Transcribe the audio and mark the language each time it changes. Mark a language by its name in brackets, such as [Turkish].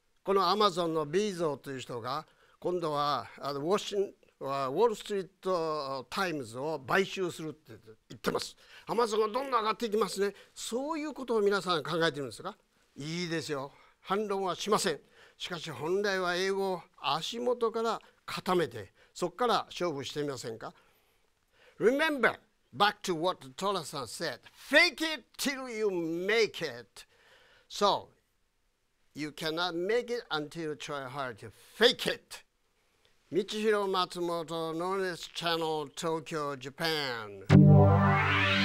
[Japanese] このアマゾンのビーゾーという人が今度はウォールストリートタイムズを買収するって言ってます。アマゾンがどんどん上がっていきますね。そういうことを皆さん考えてるんですか。いいですよ、反論はしません。しかし本来は英語を足元から固めて、そこから勝負してみませんか。 [English] Remember back to what Tolasan said, fake it till you make it. So you cannot make it until you try hard to fake it. [Japanese] 道広松本ノーネスチャンネル東京ジャパン。